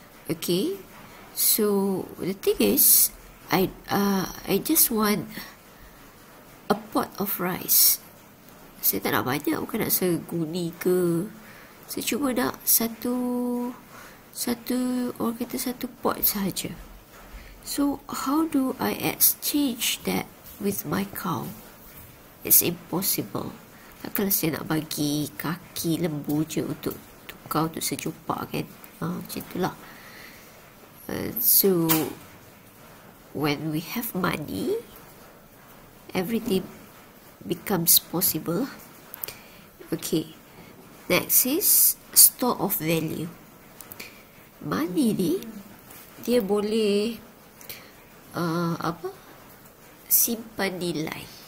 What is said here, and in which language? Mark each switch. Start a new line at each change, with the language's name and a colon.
English: Okay, so the thing is, I just want a pot of rice.
Malay: Saya tak nak banyak, bukan nak seguni ke. Saya cuma nak satu pot sahaja.
English: So, how do I exchange that with my cow? It's impossible.
Malay: Takkanlah saya nak bagi kaki lembu je untuk tukar untuk sejumpa kan. Macam itulah.
English: So, when we have money, everything becomes possible. Okay, next is store of value.
Malay: Money ni dia boleh simpan nilai.